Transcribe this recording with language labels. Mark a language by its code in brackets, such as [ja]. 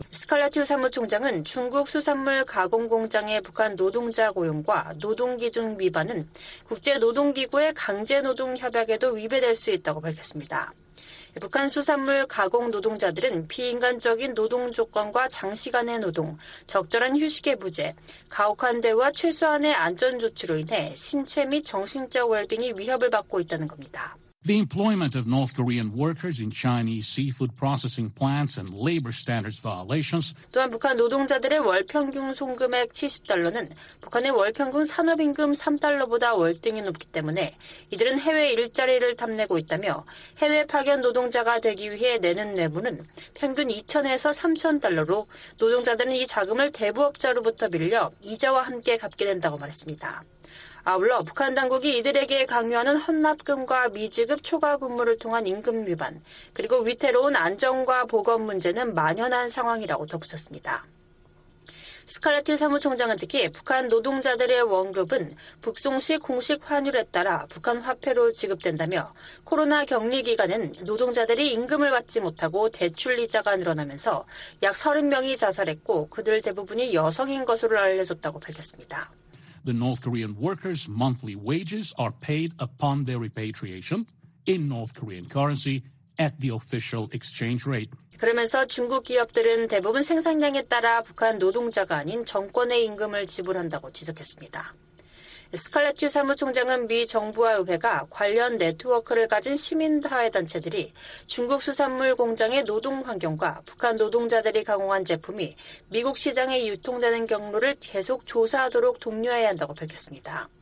[ko] 스칼라티우 사무총장은 중국 수산물 가공 공장의 북한 노동자 고용과 노동 기준 위반은 국제 노동 기구의 강제 노동 협약에도 위배될 수 있다고 밝혔습니다. 북한 수산물 가공 노동자들은 비인간적인 노동 조건과 장시간의 노동, 적절한 휴식의 부재, 가혹한 대우와 최소한의 안전 조치로 인해 신체 및 정신적 웰빙이 위협을 받고 있다는 겁니다. [en] The employment of North Korean workers in Chinese seafood processing plants and labor standards violations. [ko] 또한 북한 노동자들의 월 평균 송금액 $70는 북한의 월 평균 산업임금 $3보다 월등히 높기 때문에 이들은 해외 일자리를 탐내고 있다며 해외 파견 노동자가 되기 위해 내는 뇌물은 평균 2천에서 3천 달러로 노동자들은 이 자금을 대부업자로부터 빌려 이자와 함께 갚게 된다고 말했습니다. 아울러 북한 당국이 이들에게 강요하는 헌납금과 미지급 초과 근무를 통한 임금 위반, 그리고 위태로운 안전과 보건 문제는 만연한 상황이라고 덧붙였습니다. 스칼라틴 사무총장은 특히 북한 노동자들의 원급은 북송 시 공식 환율에 따라 북한 화폐로 지급된다며 코로나 격리 기간은 노동자들이 임금을 받지 못하고 대출 이자가 늘어나면서 약 30명이 자살했고 그들 대부분이 여성인 것으로 알려졌다고 밝혔습니다. [en] The North Korean workers' monthly wages are paid upon their repatriation in North Korean currency at the official exchange rate. [ko] 그러면서 중국 기업들은 대부분 생산량에 따라 북한 노동자가 아닌 정권의 임금을 지불한다고 지적했습니다. 스칼레츠 사무총장은 미 정부와 의회가 관련 네트워크를 가진 시민사회단체들이 중국 수산물 공장의 노동 환경과 북한 노동자들이 가공한 제품이 미국 시장에 유통되는 경로를 계속 조사하도록 독려해야 한다고 밝혔습니다.